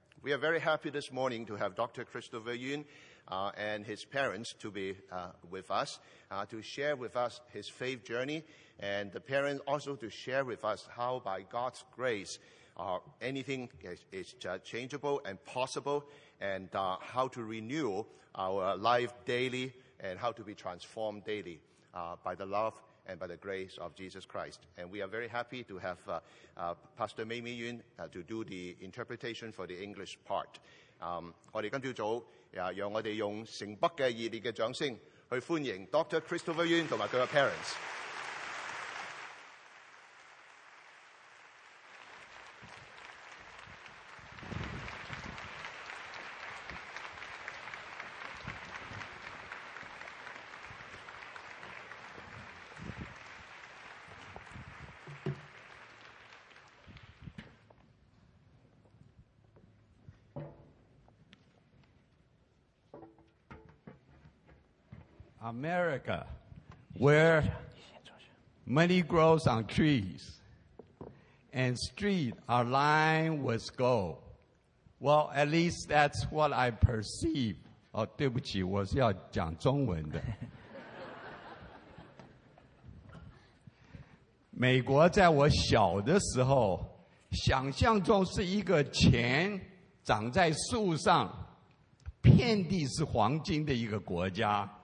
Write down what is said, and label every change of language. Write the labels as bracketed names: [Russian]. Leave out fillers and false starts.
[English] We are very happy this morning to have Dr. Christopher Yuan and his parents to be with us to share with us his faith journey and the parents also to share with us how by God's grace anything is changeable and possible and how to renew our life daily and how to be transformed daily by the love and by the grace of Jesus Christ. And we are very happy to have Pastor Mei Mi Yuan to do the interpretation for the English part. [Chinese] 我們今天早上讓我們用城北的熱烈的掌聲去歡迎 Dr. [English] Christopher Yuan [Chinese] 和他的 [English] parents. America, where money grows on trees and streets are lined with gold. Well, at least that's what I perceive. [Chinese] Oh, 对不起，我是要讲中文的。美国在我小的时候，想象中是一个钱长在树上，遍地是黄金的一个国家。